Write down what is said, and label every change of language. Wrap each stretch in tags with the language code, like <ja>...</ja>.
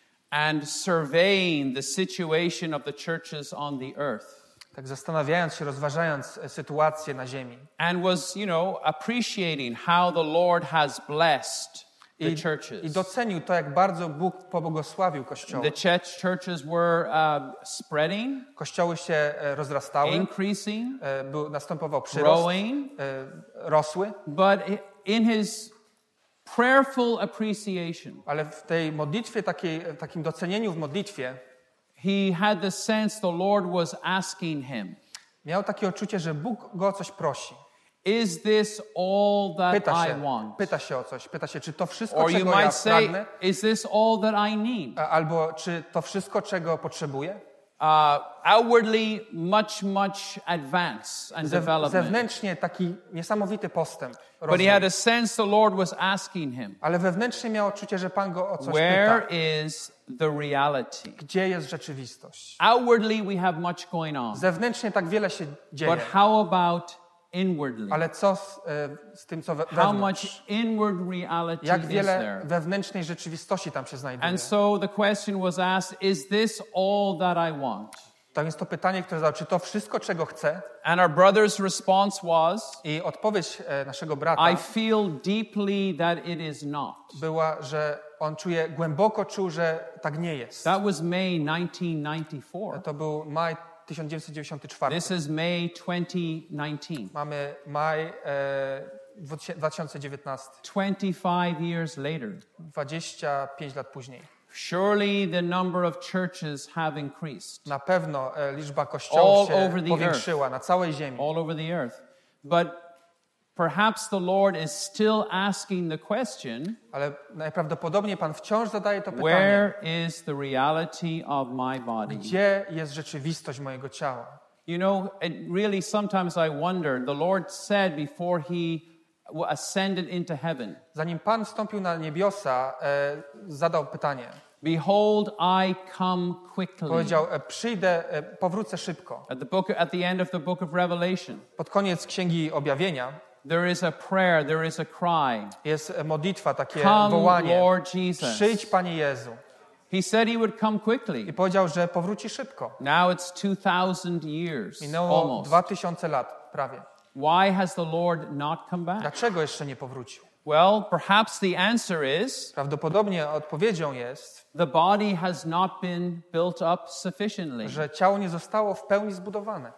<en>And surveying the situation of the churches on the earth.</en> <pl>Tak zastanawiając się, rozważając sytuację na ziemi.</pl> <en>And was, you know, appreciating how the Lord has blessed the churches.</en> <pl>I docenił to, jak bardzo Bóg pobłogosławił kościoły.</pl> <en>The churches were spreading.</en> <pl>Kościoły się rozrastały.</pl> <en>Increasing.</en> <pl>Następował przyrost.</pl> <en>Growing.</en> <pl>Rosły.</pl> <en>But in his prayerful appreciation.</en> <pl>Ale w tej modlitwie, takim docenieniu w modlitwie.</pl> <en>He had the sense the Lord was asking him.</en> <pl>Miał takie odczucie, że Bóg go o coś prosi.</pl> <en>Is this all that</en> <pl>pyta się,</pl> <en>I want?</en> <pl>Pyta się o coś. Pyta się, czy to wszystko,</pl> <en>or</en> <pl>czego</pl> <en>you might</en> <pl>ja</pl> <en>say,</en> <pl>pragnę?</pl> <en>Is this all that I need?</en> <pl>Albo czy to wszystko, czego potrzebuję?</pl> <en>Outwardly much, much advance and development.</en> <pl>Zewnętrznie taki niesamowity postęp.</pl> <en>But he had a sense the Lord was asking him.</en> <pl>Ale wewnętrznie miał odczucie, że Pan go o coś</pl> <en>where</en> <pl>pyta.</pl> <en>Where is the reality?</en> <pl>Gdzie jest rzeczywistość?</pl> <en>Outwardly we have much going on.</en> <pl>Zewnętrznie tak wiele się dzieje.</pl> <en>But how about inwardly?</en> <pl>Ale co z tym, co wewnątrz?</pl> <en>How much inward reality is there?</en> <pl>Jak wiele wewnętrznej rzeczywistości tam się znajduje?</pl> <en>And so the question was asked, is this all that I want?</en> <pl>Tak jest to pytanie, które zadał, czy to wszystko, czego chcę?</pl> <en>And our brother's response was,</en> <pl>i odpowiedź naszego brata,</pl> <en>I feel deeply that it is not.</en> <pl>Była, że on czuje, głęboko czuł, że tak nie jest.</pl> <en>That was May 1994.</en> <pl>To był maj 1994.</pl> <en>This is May 2019.</en> <pl>Mamy maj 2019.</pl> <en>25 years later.</en> <pl>25 lat później.</pl> <en>Surely the number of churches have increased.</en> <pl>Na pewno liczba kościołów się powiększyła na całej ziemi.</pl> <en>All over the earth. But perhaps the Lord is still asking the question.</en> <pl>Ale najprawdopodobniej Pan wciąż zadaje to pytanie.</pl> <en>Where is the reality of my body?</en> <pl>Gdzie jest rzeczywistość mojego ciała?</pl> <en>You know, it really sometimes I wonder. The Lord said before he ascended into heaven.</en> <pl>Zanim Pan wstąpił na niebiosa, zadał pytanie.</pl> <en>Behold, I come quickly.</en> <pl>Powiedział, przyjdę, powrócę szybko.</pl> <en>At the end of the book of Revelation.</en> <pl>Pod koniec Księgi Objawienia.</pl> <en>There is a prayer, there is a cry.</en> <pl>Jest modlitwa, takie</pl> <en>come,</en> <pl>wołanie.</pl> <en>Come, Lord Jesus.</en> <pl>Przyjdź, Panie Jezu.</pl> <en>He said he would come quickly.</en> <pl>I powiedział, że powróci szybko.</pl> <en>Now it's 2,000 years.</en> <pl>Minęło</pl> <en>almost.</en> <pl>2,000 lat, prawie.</pl> <en>Why has the Lord not come back?</en> <pl>Dlaczego jeszcze nie powrócił?</pl> <en>Well, perhaps the answer is.</en> <pl>Prawdopodobnie odpowiedzią jest.</pl> <en>The body has not been built up sufficiently.</en> <pl>Że ciało nie zostało w pełni zbudowane.</pl>